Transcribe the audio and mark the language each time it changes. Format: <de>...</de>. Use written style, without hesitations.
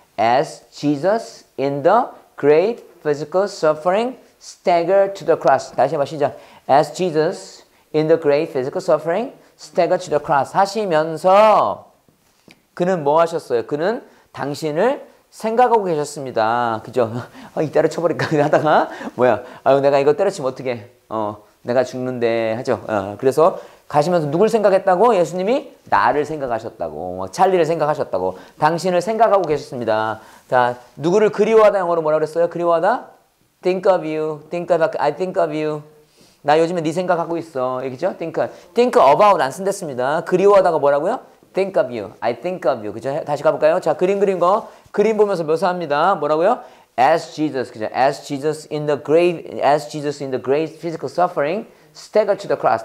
<en>As Jesus in the great physical suffering, stagger to the cross.</en> <ko>다시 한번 시작.</ko> <en>As Jesus in the great physical suffering, stagger to the cross.</en> <ko>하시면서 그는 뭐 하셨어요? 그는 당신을 생각하고 계셨습니다. 그죠? 이 때려쳐버릴까 하다가 뭐야? 아유 내가 이거 때려치면 어떻게? 내가 죽는데 하죠. 그래서 가시면서 누굴 생각했다고? 예수님이 나를 생각하셨다고. 찰리를 생각하셨다고. 당신을 생각하고 계셨습니다. 자, 누구를 그리워하다 영어로 뭐라 그랬어요? 그리워하다?</ko> <en>Think of you. Think of, I think of you.</en> <ko>나 요즘에 네 생각하고 있어. 얘기죠? Think about 안 쓴댔습니다. 그리워하다가 뭐라고요?</ko> <en>Think of you. I think of you.</en> <ko>그죠? 다시 가볼까요? 자, 그림 거. 그림 보면서 묘사합니다. 뭐라고요?</ko> <en>As Jesus,</en> <ko>그죠?</ko> <en>As Jesus in the grave, as Jesus in the great physical suffering, stagger to the cross.</en>